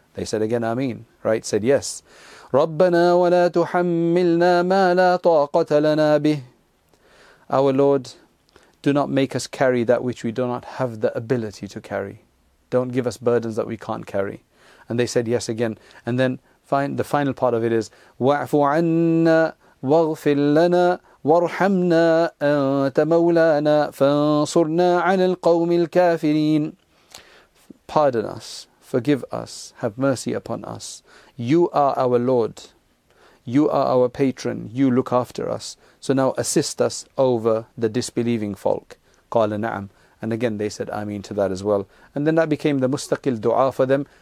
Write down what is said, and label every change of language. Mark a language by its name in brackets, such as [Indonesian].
[English] They said again, ameen, right? Said yes. [Arabic] رَبَّنَا وَلَا تُحَمِّلْنَا مَا لَا طَاقَةَ لَنَا بِهِ. [English] Our Lord, do not make us carry that which we do not have the ability to carry. Don't give us burdens that we can't carry. And they said yes again. And then the final part of it is, [Arabic] وَعْفُ عَنَّا وَغْفِرْ لَنَا وَارْحَمْنَا أَنْتَ مَوْلَانَا فَانْصُرْنَا عَلَى الْقَوْمِ الْكَافِرِينَ. [English] Pardon us, forgive us, have mercy upon us. You are our Lord. you are our patron, you look after us, so now assist us over the disbelieving folk. [Arabic] Qala na'am. [English] And again they said ameen to that as well. And then that became the mustaqil dua for them.